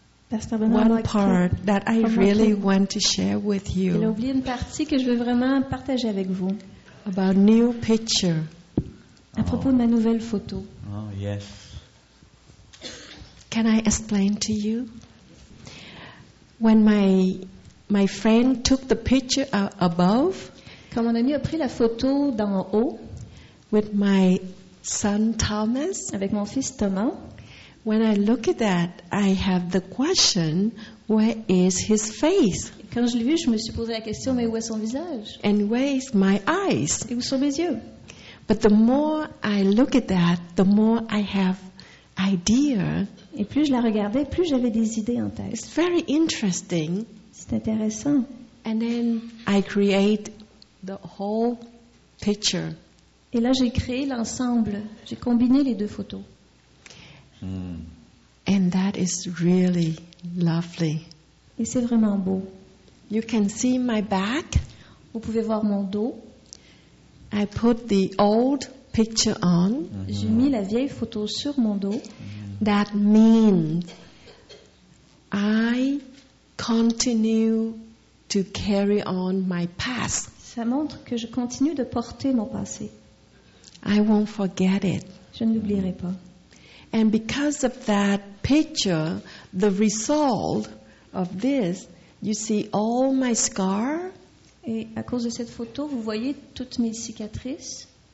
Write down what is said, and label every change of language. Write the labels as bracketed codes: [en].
[en] Pastor Benoit, one part that I really want to share with you. [fr] Il a oublié une partie que je veux vraiment partager avec vous. [en] About new picture. [fr] À propos de ma nouvelle photo. [en] Oh yes. Can I explain to you? When my friend took the picture above. [fr] Quand mon ami a pris la photo d'en haut. [en] With my son Thomas. [fr] Avec mon fils Thomas. [en] When I look at that, I have the question, where is his face? [fr] Quand je l'ai vu, je me suis posé la question, mais où est son visage? [en] And where is my eyes? [fr] Et où sont mes yeux? [en] But the more I look at that, the more I have idea. [fr] Et plus je la regardais, plus j'avais des idées en tête. [en] It's very interesting. [fr] C'est intéressant. [en] And then I create the whole picture. [fr] Et là, j'ai créé l'ensemble. J'ai combiné les deux photos. Mm. [en] And that is really lovely. [fr] Et c'est vraiment beau. [en] You can see my back. [fr] Vous pouvez voir mon dos. [en] I put the old picture on. [fr] J'ai mis la vieille photo sur mon dos. [en] That means I continue to carry on my past. [fr] Ça montre que je continue de porter mon passé. [en] I won't forget it. [fr] Je ne l'oublierai pas. [en] And because of that picture, the result of this, you see all my scars. [fr] Et à cause de cette photo, vous voyez toutes mes cicatrices.